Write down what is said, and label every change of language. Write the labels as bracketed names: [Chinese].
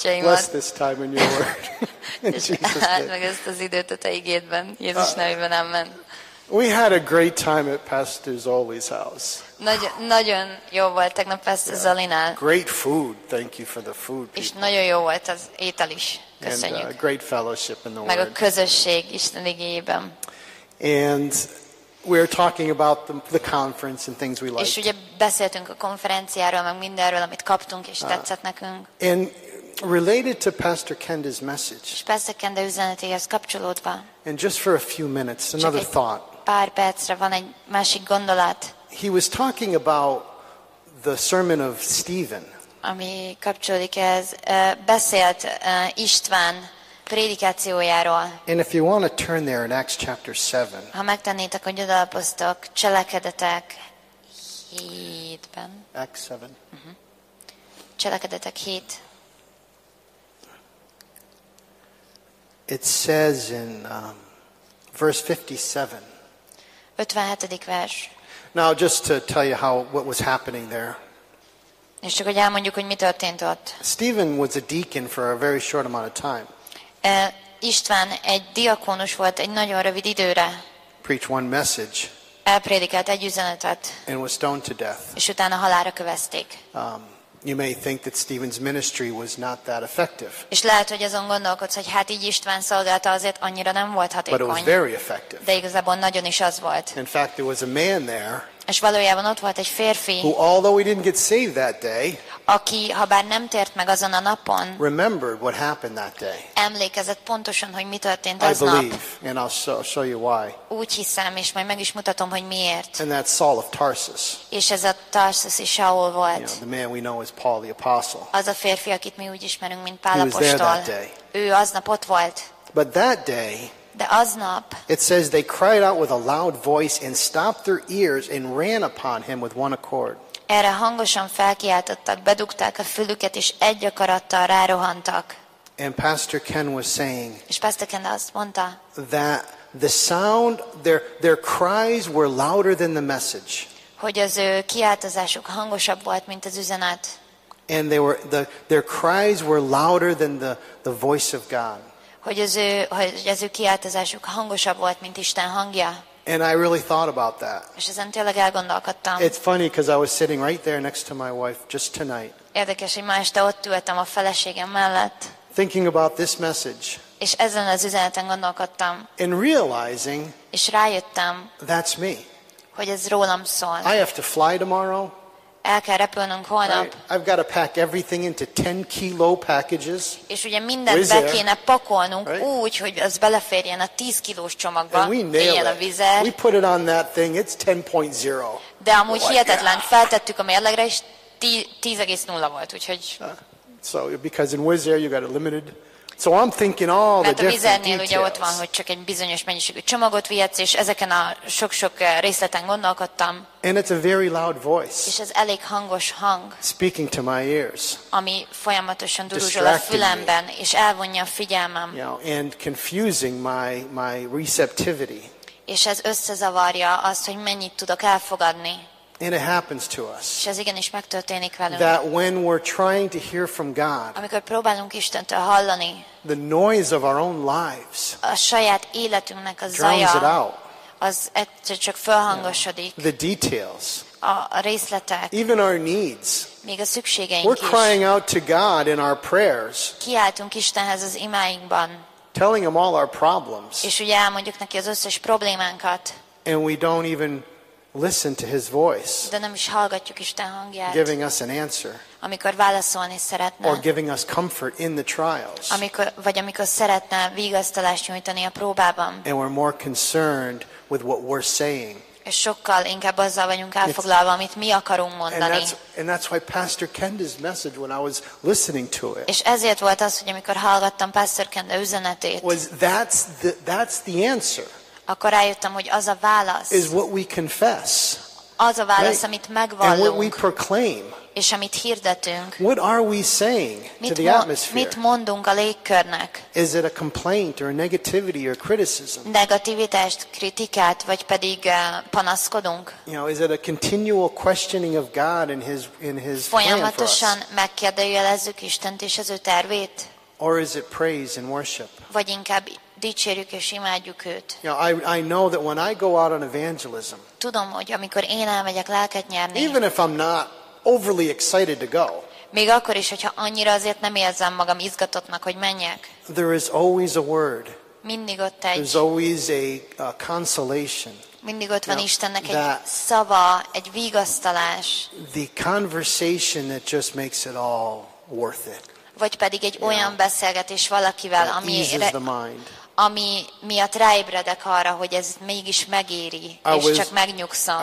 [English] bless this time in your word. In Jesus' name. We had a great time at Pastor Zoli's house. [Hungarian] Nagyon jó volt tegnap Pastor Zolinál. [English] Great food. Thank you for the food. [Hungarian] És nagyon jó volt az étel is. Köszönjük. [English] And a great fellowship in the word. [Hungarian] Meg a közösség Isten igében. [English] And we're talking about the conference and things we liked. [Hungarian] És ugye beszéltünk a konferenciáról, meg mindenről, amit kaptunk és tetszett nekünk. [English] And related to Pastor Kenda's message. [Hungarian] És Pastor Kenda üzenetéhez kapcsolódva. [English] And just for a few minutes, another thought. [Hungarian] Pár percre van egy másik gondolat. [English] He was talking about the sermon of Stephen. [Hungarian] Ami kapcsolódik ez, beszélt István prédikációjáról. [English] And if you want to turn there in Acts chapter 7. [Hungarian] Ha megtennétek, hogy odalapoztok Cselekedetek 7-ben. [English] Acts 7. [Hungarian] Uh-huh. Cselekedetek 7. [English] It says in verse 57. [Hungarian] 57. vers. [English] Now just to tell you what was happening there. [Hungarian] És csak hogy elmondjuk, hogy mi történt ott. [English] Stephen was a deacon for a very short amount of time. [Hungarian] István egy diakónus volt egy nagyon rövid időre. [English] Preach one message. [Hungarian] Elprédikált egy üzenetet. [English] And was stoned to death. [Hungarian] És utána halálra kövezték. [English] You may think that Stephen's ministry was not that effective. [Hungarian] És lehet, hogy azon gondolkodsz, hogy hát így István szolgálta, azért annyira nem volt hatékony. [English] But it was very effective. [Hungarian] De igazából nagyon is az volt. [English] In fact, there was a man there. [Hungarian] És valójában ott volt egy férfi. [English] Who, although he didn't get saved that day. [Hungarian] Aki, ha bár nem tért meg azon a napon, [English] remembered what happened that day. [Hungarian] Emlékezett pontosan, hogy mi történt az nap. [English] And I'll show you why. [Hungarian] Úgy hiszem, és majd meg is mutatom, hogy miért. [English] And that's Saul of Tarsus. [Hungarian] És ez a tarsuszi Saul volt. [English] You know, the man we know is Paul the Apostle. [Hungarian] Az a férfi, akit mi úgy ismerünk, mint Pál apostol. [English] He was there that day. [Hungarian] Ő aznap ott volt. [English] But that day, [Hungarian] de aznap, [English] it says they cried out with a loud voice and stopped their ears and ran upon him with one accord. [Hungarian] Erre hangosan felkiáltottak, bedugták a fülüket, és egy akarattal rárohantak. [English] And Pastor Ken was saying, [Hungarian] és Pastor Ken azt mondta, [English] that the sound, their cries were louder than the message. [Hungarian] Hogy az ő kiáltozásuk hangosabb volt, mint az üzenet. [English] And they were, their cries were louder than the voice of God. [Hungarian] Hogy az ő kiáltozásuk hangosabb volt, mint Isten hangja. [English] And I really thought about that. [Hungarian] És ezen tényleg elgondolkodtam. [English] It's funny because I was sitting right there next to my wife just tonight. [Hungarian] Érdekes, hogy ma este ott ültem a feleségem mellett. [English] Thinking about this message. [Hungarian] És ezen az üzeneten gondolkodtam. [English] And realizing. [Hungarian] És rájöttem. [English] That's me. [Hungarian] Hogy ez rólam szól. [English] I have to fly tomorrow. [Hungarian] El kell repülnünk holnap. [English] Right. I've got to pack everything into 10 kilo packages. [Hungarian] És ugye mindent be kéne pakolnunk right? Úgy, hogy az beleférjen a 10 kilós csomagba. Éljen a vizet. [English] We put it on that thing, it's 10.0. [Hungarian] De amúgy hihetetlen, feltettük a mérlegre, és 10.0 volt, úgyhogy. [English] So, because in Wizz Air you got a limited So I'm thinking all the different details. [Hungarian] Mert a vizernél ugye ott van, hogy csak egy bizonyos mennyiségű csomagot vihetsz, és ezeken a sok-sok részleten gondolkodtam. [English] And it's a very loud voice. [Hungarian] És ez elég hangos hang. [English] Speaking to my ears. [Hungarian] Ami folyamatosan duruzsol a fülemben, és elvonja a figyelmem. [English] You know, and confusing my receptivity. [Hungarian] És ez összezavarja azt, hogy mennyit tudok elfogadni. [English] And it happens to us. [Hungarian] És ez igenis megtörténik velünk. [English] That when we're trying to hear from God. [Hungarian] Amikor próbálunk Istentől hallani. [English] The noise of our own lives. [Hungarian] A saját életünknek a zaja. [English] Drowns it out. [Hungarian] Az egyszer csak felhangosodik. [English] The details. [Hungarian] A részletek. [English] Even our needs. [Hungarian] Még a szükségeink is. [English] We're crying out to God in our prayers. [Hungarian] Kiáltunk Istenhez az imáinkban. [English] Telling him all our problems. [Hungarian] És ugye elmondjuk neki az összes problémánkat. [English] And we don't even listen to his voice. [Hungarian] De nem is hallgatjuk Isten hangját. [English] Giving us an answer. [Hungarian] Amikor válaszolni szeretne. [English] Or giving us comfort in the trials. [Hungarian] Amikor szeretne vigasztalást nyújtani a próbában. [English] And we're more concerned with what we're saying. [Hungarian] És sokkal inkább azzal vagyunk elfoglalva, amit mi akarunk mondani. [English] And that's why Pastor Kenda's message when I was listening to it. [Hungarian] És ezért volt az, hogy amikor hallgattam Pastor Kenda üzenetét. [English] Was that's the answer. [Hungarian] Akkor rájöttem, hogy az a válasz. [English] Is what we confess. [Hungarian] Az a válasz, right? Amit megvallunk. [English] And what we proclaim. [Hungarian] És amit hirdetünk. [English] What are we saying to the atmosphere? [Hungarian] Mit mondunk a légkörnek? [English] Is it a complaint or a negativity or criticism? [Hungarian] Negativitást, kritikát, vagy pedig panaszkodunk? [English] You know, is it a continual questioning of God and his [Hungarian] folyamatosan megkérdőjelezzük Istent és az ő tervét? [English] Or is it praise and worship? [Hungarian] Vagy inkább dicsérjük és imádjuk őt. [English] You know, I know that when I go out on evangelism. [Hungarian] Tudom, hogy amikor én elmegyek lelket nyerni. [English] Even if I'm not overly excited to go. [Hungarian] Még akkor is, hogyha annyira azért nem érzem magam izgatottnak, hogy menjek. [English] There is always a word. [Hungarian] Mindig ott egy. [English] There's always a consolation. [Hungarian] Mindig ott van Istennek egy szava, egy vigasztalás. [English] The conversation that just makes it all worth it. [Hungarian] Vagy pedig egy olyan beszélgetés valakivel, ami miatt ráébredek arra, hogy ez mégis megéri, és csak megnyugszom.